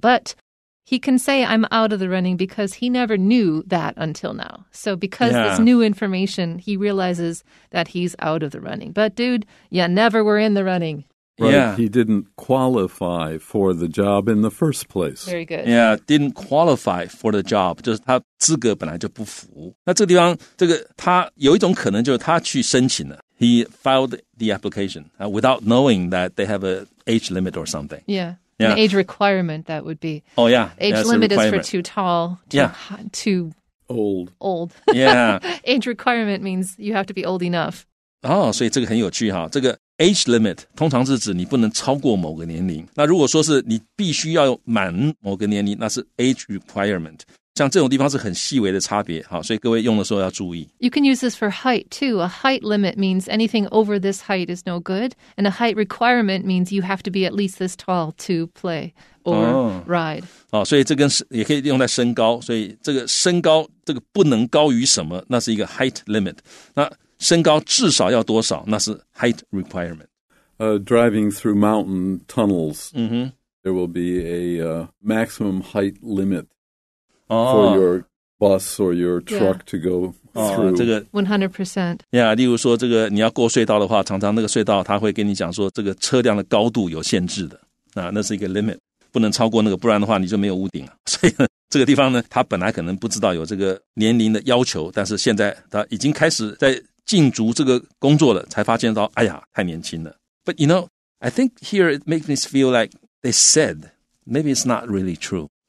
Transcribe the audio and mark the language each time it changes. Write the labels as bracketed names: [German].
[English] But he can say I'm out of the running because he never knew that until now. So because this new information, he realizes that he's out of the running. But dude, you never were in the running. Right, yeah. He didn't qualify for the job in the first place. Very good. Yeah, didn't qualify for the job. [Chinese] 就是他资格本来就不符。那这个地方，这个他有一种可能就是他去申请了。 [English] He filed the application without knowing that they have an age limit or something. Yeah. An age requirement, that would be. Oh, yeah. Age limit is for too tall, too old. Old. Yeah. Age requirement means you have to be old enough. [Chinese] Oh, 所以这个很有趣哈。这个 age limit 通常是指你不能超过某个年龄。那如果说是你必须要满某个年龄，那是 age requirement。像这种地方是很细微的差别，好，所以各位用的时候要注意。 [English] You can use this for height too. A height limit means anything over this height is no good, and a height requirement means you have to be at least this tall to play or ride. [Chinese] 好，所以这跟也可以用在身高，所以这个身高这个不能高于什么，那是一个 height limit. 那身高至少要多少，那是 height requirement. [English] Driving through mountain tunnels,、 mm-hmm. there will be a maximum height limit. For your bus or your truck to go through. [Chinese] 这个 [English] 100%. [Chinese] Yeah, 例如说这个你要过隧道的话，常常那个隧道他会跟你讲说这个车辆的高度有限制的。那是一个 limit, 不能超过那个，不然的话你就没有屋顶了。所以这个地方呢，他本来可能不知道有这个年龄的要求，但是现在他已经开始在进足这个工作了，才发现到哎呀，太年轻了。 [English] But you know, I think here it makes me feel like they said, maybe it's not really true.